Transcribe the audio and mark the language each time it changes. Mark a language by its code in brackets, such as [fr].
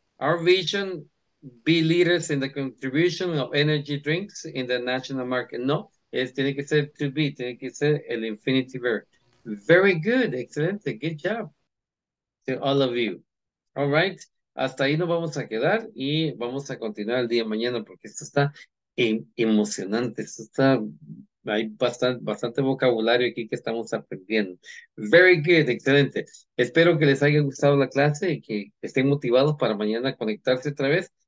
[en] Our vision, be leaders in the contribution of energy drinks in the national market. [es] No, tiene que ser to be, tiene que ser el infinity verb. [en] Very good, excelente, good job to all of you. All right, [es] hasta ahí nos vamos a quedar y vamos a continuar el día de mañana porque esto está emocionante, esto está... Hay bastante vocabulario aquí que estamos aprendiendo. [en] Very good, [es] excelente. Espero que les haya gustado la clase y que estén motivados para mañana conectarse otra vez